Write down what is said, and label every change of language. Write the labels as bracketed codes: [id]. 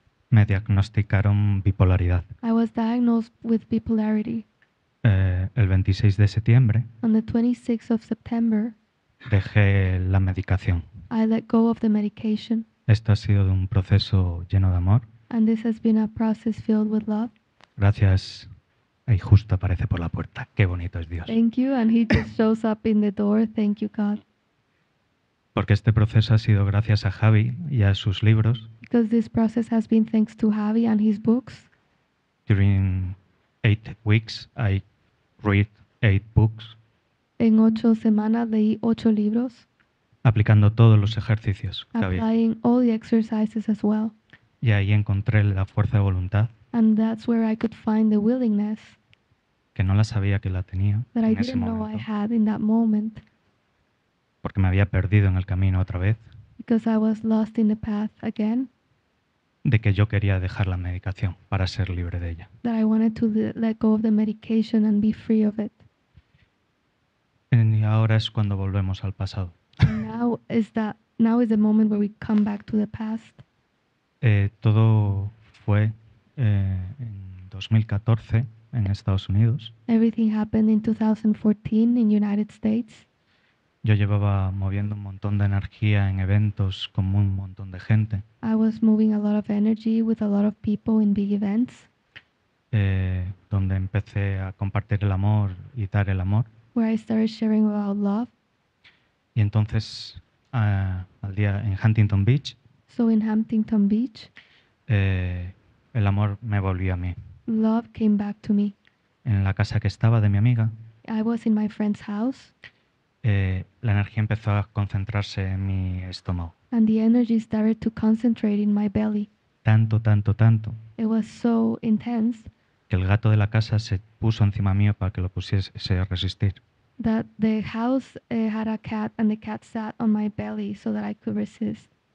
[es] Me diagnosticaron bipolaridad. [en] I was diagnosed with bipolarity. [es] El 26 de septiembre. [en] On the 26th of September. [es] Dejé la medicación. [en] I let go of the medication. [es] Esto ha sido un proceso lleno de amor. [en] And this has been a process filled with love. [es] Gracias. Y justo aparece por la puerta. Qué bonito es Dios. [en] Thank you. And he just shows up in the door. Thank you, God. [es] Porque este proceso ha sido gracias a Javi y a sus libros. [en] Because this process has been thanks to Javi and his books. During 8 weeks, I read 8 books. [es] En 8 semanas, leí 8 libros. Aplicando todos los ejercicios. [en] Applying all the exercises as well. [es] Y ahí encontré la fuerza de voluntad. [en] And that's where I could find the willingness. [es] Que no la sabía que la tenía. [en] That I didn't know I had in that moment. [es] Porque me había perdido en el camino otra vez. [en] Because I was lost in the path again. [es] De que yo quería dejar la medicación para ser libre de ella. [en] That I wanted to let go of the medication and be free of it. [es] Y ahora es cuando volvemos al pasado. [en] Now is the moment where we come back to the past. [es] Todo fue en 2014 en Estados Unidos. [en] Everything happened in 2014 in United States. [es] Yo llevaba moviendo un montón de energía en eventos con un montón de gente. [en] I was moving a lot of energy with a lot of people in big events. [es] Donde empecé a compartir el amor y dar el amor. [en] Where I started sharing about love. [es] Y entonces, al día en Huntington Beach, [en] so in Huntington Beach, [es] El amor me volvió a mí. [en] love came back to me. [es] En la casa que estaba de mi amiga. [en] I was in my friend's house. [es] La energía empezó a concentrarse en mi estómago. [en] And the energy started to concentrate in my belly. [es] Tanto, tanto, tanto. [en] It was so intense. [es] Que el gato de la casa se puso encima mío para que lo pusiese a resistir. [en] That the house had a cat and the cat sat on my belly so that I could resist.